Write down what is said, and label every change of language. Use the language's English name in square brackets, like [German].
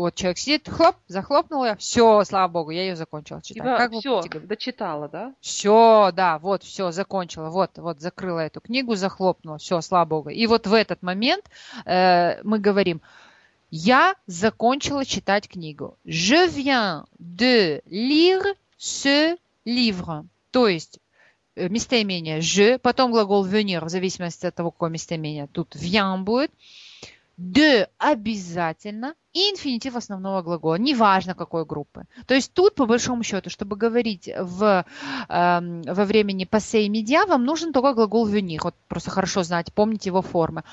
[Russian] Вот человек сидит, хлоп, захлопнул я. Все, слава богу, я ее закончила читать. Как все, вы дочитала, да? Все, да, вот, все, закончила. Вот, вот, закрыла эту книгу, захлопнула. Все, слава богу. И вот в этот момент мы говорим Я закончила читать книгу. [French] Je viens de lire ce livre. [Russian] То есть местоимение «je», потом глагол «venir», в зависимости от того, какое местоимение, тут «viens» будет. «De» обязательно, и инфинитив основного глагола, неважно какой группы. То есть тут, по большому счету, чтобы говорить во времени «passé» и «media», вам нужен только глагол «venir», вот просто хорошо знать, помнить его формы.